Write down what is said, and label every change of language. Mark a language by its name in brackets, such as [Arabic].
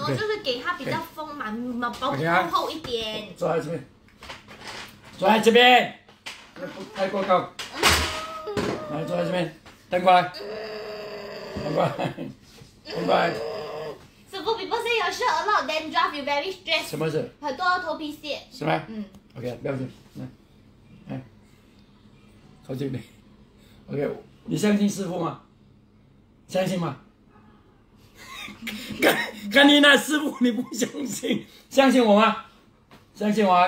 [Chinese] 就是给它比较丰满嘛，包括厚厚一点。坐在这边，坐在这边，太过高。来，坐在这边，等过来，等过来，等过来。师傅 [English] ，people say your shirt a lot dandruff, you very stressed。 [Chinese] 什么事？很多头皮屑。是吗？嗯。 OK， 不要紧，来，来，靠近点。 OK， 你相信师傅吗？相信吗？甘妮娜师傅，你不相信？相信我吗？相信我啊！